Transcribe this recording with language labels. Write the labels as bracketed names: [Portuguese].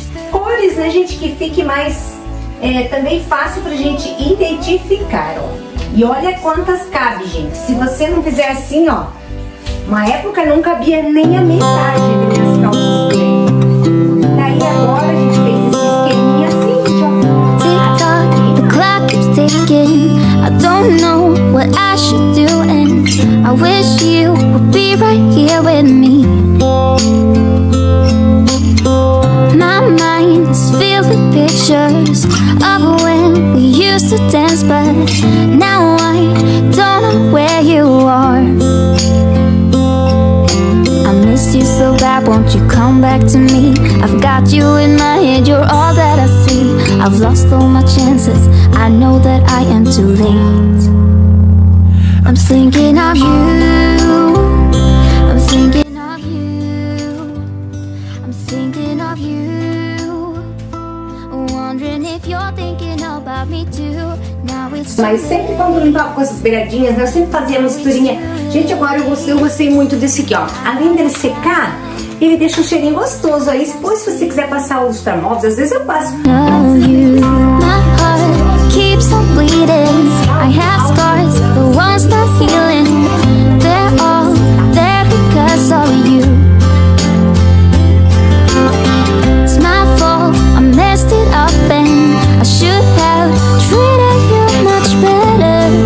[Portuguese] Cores, né, gente, que fique mais... é, também fácil pra gente identificar, ó. E olha quantas cabe, gente. Se você não fizer assim, ó. Uma época não cabia nem a metade das minhas calças. Daí agora a gente fez esse esqueminha assim, gente, ó. [English] TikTok, the clock is ticking. I don't know what I should do. I wish you would be right here with me. My mind is filled with pictures of when we used to dance, but now I don't know where you are. I miss you so bad, won't you come back to me? I've got you in my head, you're all that I see. I've lost all my chances, I know that I am too late. I'm thinking of you. I'm thinking of you. I'm thinking of you. Wondering if you're thinking about me too. Now it's... [Portuguese] mas sempre quando limpar com essas beiradinhas, né? Eu sempre fazia a misturinha. Gente, agora eu gostei muito desse aqui, ó. Além dele secar, ele deixa um cheirinho gostoso aí. Depois, se você quiser passar os termóveis, às vezes eu passo. [English] Keeps on bleeding. I have scars, the ones that healing. They're all there because of you. It's my fault, I messed it up and I should have treated you much better.